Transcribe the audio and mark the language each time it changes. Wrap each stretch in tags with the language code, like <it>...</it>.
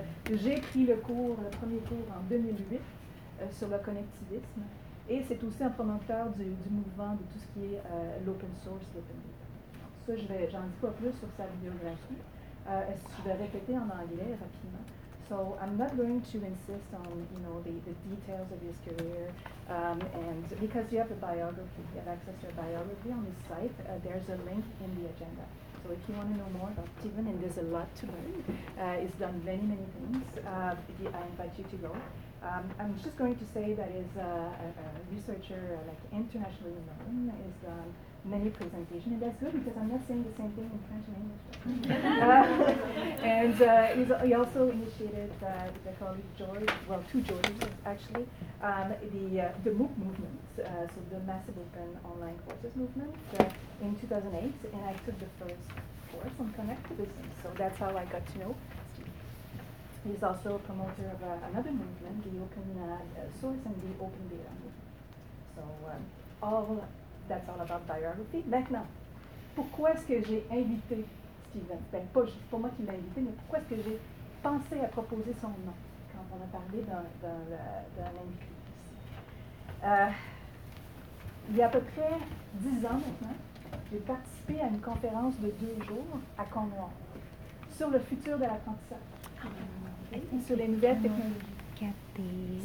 <fr>J'ai pris le premier cours en 2008 sur le connectivisme. Et c'est aussi un promoteur du mouvement de tout ce qui est l'open source, l'open data. Ça, j'en dis pas plus sur sa biographie. Est-ce que je vais répéter en anglais rapidement?</fr> <en>So I'm not going to insist on, you know, the details of his career, and because you have a biography, you have access to a biography on his site, there's a link in the agenda. So if you want to know more about Stephen, and there's a lot to learn, he's done many, many things, I invite you to go. I'm just going to say that he's a researcher, like internationally known, he's done many presentations, and that's good because I'm not saying the same thing in French and English. he also initiated the colleague George, well, two Georges actually, the MOOC movement, so the Massive Open Online Courses movement in 2008, and I took the first course on connectivism, so that's how I got to know Steve. He's also a promoter of another movement, the Open Source and the Open Data movement. So, that's all about biography.</en> <fr>Maintenant, pourquoi est-ce que j'ai invité Stephen? Ben, pas juste pour moi qui l'ai invité, mais pourquoi est-ce que j'ai pensé à proposer son nom quand on a parlé d'un invité ici? Il y a à peu près 10 ans maintenant, j'ai participé à une conférence de 2 jours à Cornwall sur le futur de l'apprentissage et sur les nouvelles technologies.</fr>